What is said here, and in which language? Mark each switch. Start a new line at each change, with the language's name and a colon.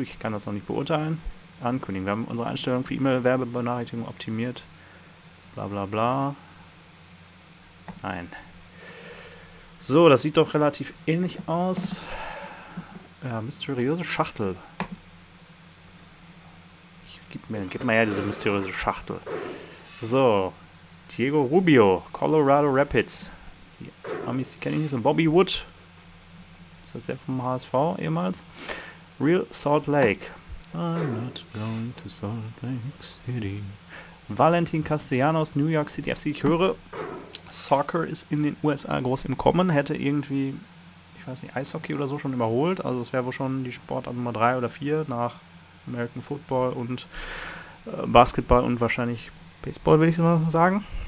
German: Ich kann das noch nicht beurteilen. Ankündigen. Wir haben unsere Einstellung für E-Mail-Werbebenachrichtigung optimiert. Bla bla bla. Nein. So, das sieht doch relativ ähnlich aus. Ja, mysteriöse Schachtel. Gib mir ja diese mysteriöse Schachtel. So, Diego Rubio, Colorado Rapids. Die Amis, die kenne ich nicht. Und Bobby Wood. Ist das der vom HSV ehemals? Real Salt Lake.
English: I'm not going to Salt Lake City.
German: Valentin Castellanos, New York City FC. Ich höre, Soccer ist in den USA groß im Kommen, hätte irgendwie, ich weiß nicht, Eishockey oder so schon überholt. Also es wäre wohl schon die Sportart Nummer 3 oder 4 nach American Football und Basketball und wahrscheinlich Baseball, würde ich mal sagen.